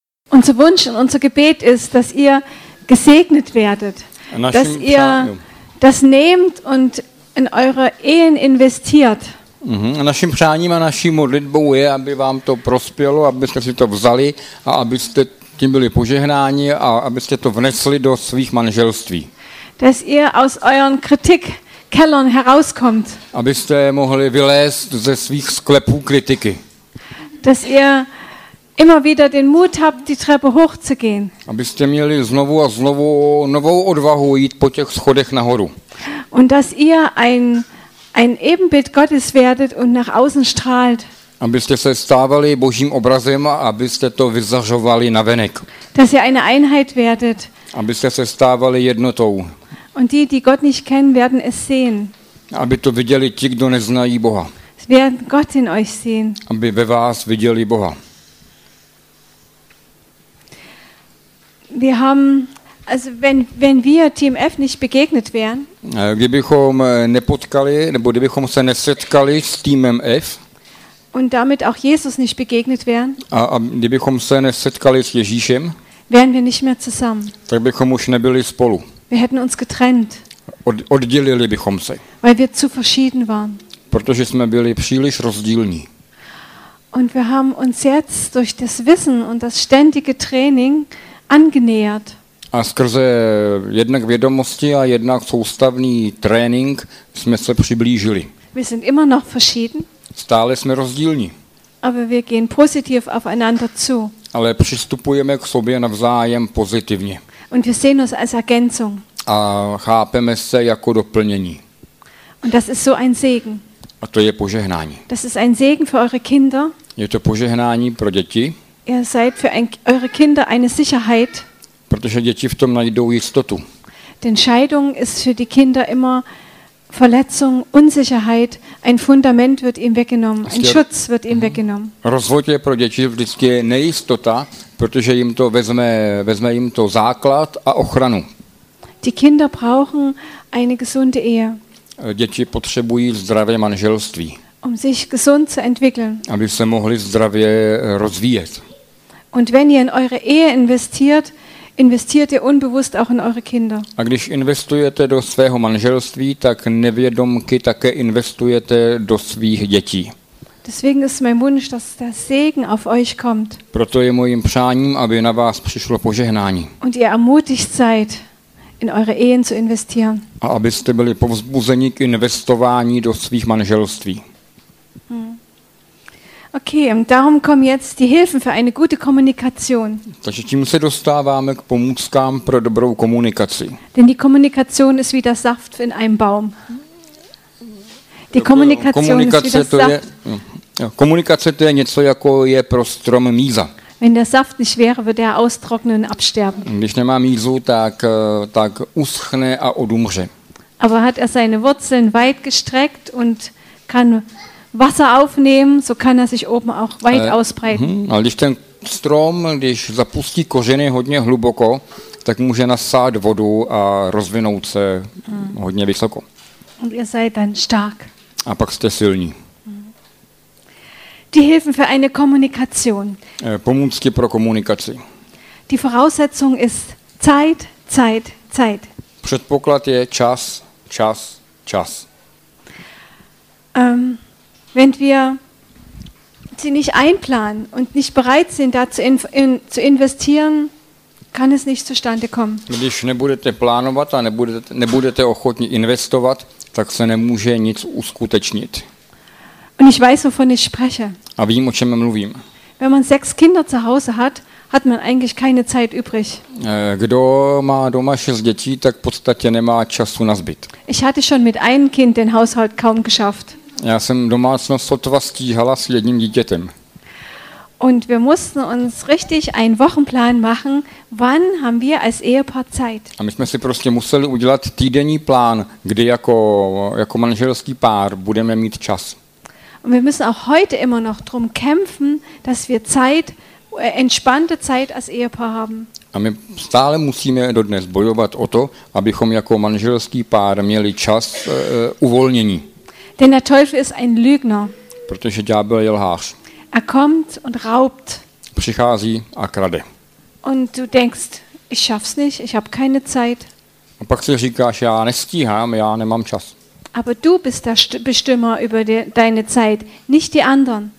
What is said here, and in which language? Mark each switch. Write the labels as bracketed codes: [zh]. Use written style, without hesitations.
[de] Unser Wunsch und unser Gebet ist, dass ihr gesegnet werdet, dass ihr das nehmt und in eure Ehen investiert. [cs] A naším přáním a naší modlitbou je, aby vám to prospělo, abyste si to vzali a abyste tím byli požehnáni a abyste to vnesli do svých manželství. [de] Dass ihr aus euren Kritikkellern herauskommt. [cs] Abyste mohli vylézt ze svých sklepů kritiky. [de] Dass ihr immer wieder den Mut habt, die Treppe hochzugehen. [cs] Abyste měli znovu a znovu novou odvahu jít po těch schodech nahoru. [de] Und dass ihr ein Ebenbild Gottes werdet und nach außen strahlt. [cs] Abyste se stávali Božím obrazem a abyste to vyzařovali na venek. [de] Dass ihr eine Einheit werdet. [cs] Abyste se stávali jednotou. [de] Und die Gott nicht kennen, werden es sehen. [cs] Aby to viděli ti, kdo neznají Boha. [de] Sie werden Gott in euch sehen. [cs] Aby ve vás viděli Boha. [de] Wir haben, also wenn wir TMF nicht begegnet wären, [cs] kdybychom nepotkali, nebo kdybychom se nesetkali s týmem F, [de] und damit auch Jesus nicht begegnet wären, [cs] a kdybychom se nesetkali s Ježíšem, [de] wären wir nicht mehr zusammen. [cs] Tak bychom už nebyli spolu. [de] Wir hätten uns getrennt. [cs] Oddělili bychom se. [de] Weil wir zu verschieden waren. [cs] Protože jsme byli příliš rozdílní. [de] Und wir haben uns jetzt durch das Wissen und das ständige Training angenähert. [cs] A skrze jednak vědomosti a jednak soustavný trénink jsme se přiblížili. [de] Wir sind immer noch verschieden. [cs] Stále jsme rozdílní. [de] Aber wir gehen positiv aufeinander zu. [cs] Ale přistupujeme k sobě navzájem pozitivně. [de] Und wir sehen uns als Ergänzung. [cs] A chápeme se jako doplnění. [de] Und das ist so ein Segen. [cs] A to je požehnání. [de] Das ist ein Segen für eure Kinder. [cs] Je to požehnání pro děti. [de] Ihr seid für eure Kinder eine Sicherheit. [cs] Protože děti v tom najdou jistotu. [de] Denn Scheidung ist für die Kinder immer Verletzung, Unsicherheit, ein Fundament wird ihm weggenommen, ein Schutz wird ihm weggenommen. [cs] Rozvod je pro děti vždycky nejistota, protože jim to vezme jim to základ a ochranu. [de] Die Kinder brauchen eine gesunde Ehe. [cs] Děti potřebují zdravé manželství. [de] Um sich gesund zu entwickeln. [cs] Aby se mohli zdravě rozvíjet. [de] Und wenn ihr in eure Ehe investiert, investiert ihr unbewusst auch in eure Kinder. [cs] A když investujete do svého manželství, tak nevědomky také investujete do svých dětí. [de] Deswegen ist mein Wunsch, dass der Segen auf euch kommt. [cs] Proto je mojím přáním, aby na vás přišlo požehnání. [de] Und ihr ermutigt seid, in eure Ehen zu investieren. [cs] A abyste byli povzbuzeni k investování do svých manželství. [de] Okay, darum kommen jetzt die Hilfen für eine gute Kommunikation. [cs] Takže tím se dostáváme k pomůckám pro dobrou komunikaci. [de] Denn die Kommunikation ist wie der Saft in einem Baum. Die Kommunikation ist wie der Saft. [cs] Komunikace to je něco jako je pro strom míza. [de] Wenn der Saft nicht wäre, würde er austrocknen und absterben. [cs] Když nemá mízu, tak uschne a odumře. [de] Aber hat er seine Wurzeln weit gestreckt und kann Wasser aufnehmen, so kann er sich oben auch weit ausbreiten. [cs] Ale když ten strom, když zapustí kořeny hodně hluboko, tak může nasát vodu a rozvinout se hodně vysoko. [de] Und ihr seid dann stark. [cs] A pak jste silní. [de] Die Hilfen für eine Kommunikation. [cs] Pomůcky pro komunikaci. [de] Die Voraussetzung ist Zeit, Zeit, Zeit. [cs] Předpoklad je čas, čas, čas. [de] Wenn wir sie nicht einplanen und nicht bereit sind, da zu investieren, kann es nicht zustande kommen. [cs] Když nebudete plánovat a nebudete ochotni investovat, tak se nemůže nic uskutečnit. [de] Und ich weiß, wovon ich spreche. [cs] A vím, o čem mluvím. [de] Wenn man 6 Kinder zu Hause hat, hat man eigentlich keine Zeit übrig. [cs] Kdo má doma 6 dětí, tak v podstatě nemá času na zbyt. [de] Ich hatte schon mit einem Kind den Haushalt kaum geschafft. [cs] Já jsem domácnost sotva stíhala s jedním dítětem. [de] Und wir mussten uns richtig einen Wochenplan machen, wann haben wir als Ehepaar Zeit. [cs] A my jsme si prostě museli udělat týdenní plán, kdy jako manželský pár budeme mít čas. [de] Und wir müssen auch heute immer noch drum kämpfen, dass wir Zeit, entspannte Zeit als Ehepaar haben. [cs] A my stále musíme dodnes bojovat o to, abychom jako manželský pár měli čas uvolnění. [de] Denn der Teufel ist ein Lügner. [cs] Protože ďábel je lhář. [de] Er kommt und raubt. [cs] Přichází a krade. [de] Und du denkst, ich schaff's nicht, ich habe keine Zeit. [cs] A pak si říkáš, já nestíhám, já nemám čas. [de] Aber du bist der Bestimmer über deine Zeit, nicht die anderen.